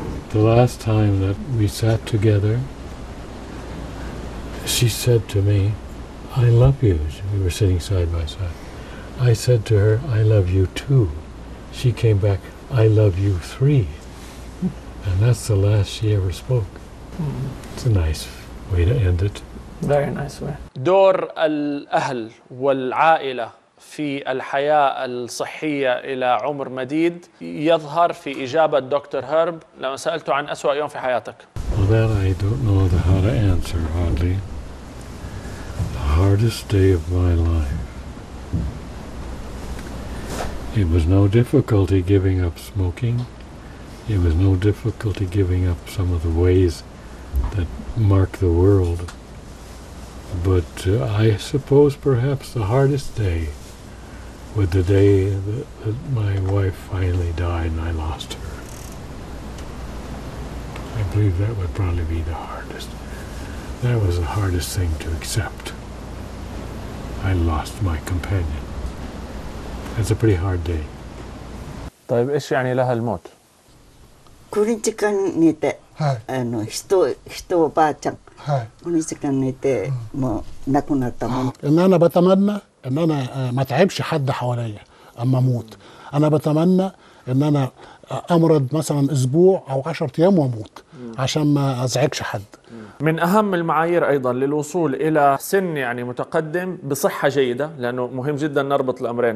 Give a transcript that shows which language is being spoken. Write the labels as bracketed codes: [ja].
[en] The last time that we sat together, she said to me, I love you. We were sitting side by side. I said to her, I love you too. She came back, I love you three. And that's the last she ever spoke. It's a nice way to end it. Very nice way. [ar] دور الأهل والعائلة في الحياة الصحية إلى عمر مديد يظهر في إجابة دكتور هيرب لما سألته عن أسوأ يوم في حياتك. [en] Well, that I don't know how to answer, hardly. The hardest day of my life. It was no difficulty giving up smoking. It was no difficulty giving up some of the ways that mark the world. But I suppose perhaps the hardest day was the day that my wife finally died and I lost her. I believe that would probably be the hardest. That was the hardest thing to accept. I lost my companion. That's a pretty hard day. [ar] طيب إيش يعني لها الموت؟ [ja] この時間寝て、はい、あの人おばあちゃん、はい、この時間寝て、うん、もう亡くなったもん。 [ar] ああ、أنا بتمنى إن أنا ما تعبش حد حواليا أما أموت. أنا بتمنى إن أنا أمرض مثلاً أسبوع أو 10 أيام وأموت عشان ما أزعجش حد. من أهم المعايير أيضاً للوصول إلى سن يعني متقدم بصحة جيدة، لأنه مهم جداً نربط الأمرين.